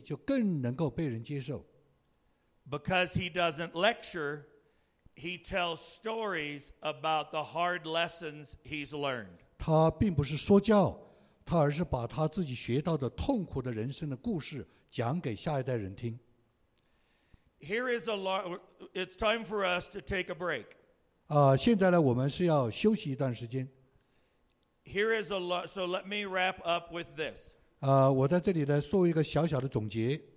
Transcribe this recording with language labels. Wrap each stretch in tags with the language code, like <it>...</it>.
<zh>所以呢，他发现这样一个歌星，他年纪越大，他给下一代人的这个忠告建议就更能够被人接受。</zh> <en>Because he doesn't lecture, he tells stories about the hard lessons he's learned.</en> <zh>他并不是说教，他而是把他自己学到的痛苦的人生的故事讲给下一代人听。</zh> <en>Here is a lot. It's time for us to take a break.</en> <zh>现在呢，我们是要休息一段时间。</zh> <en>Here is a lot. So let me wrap up with this.</en> <zh>我在这里呢，做一个小小的总结。</zh>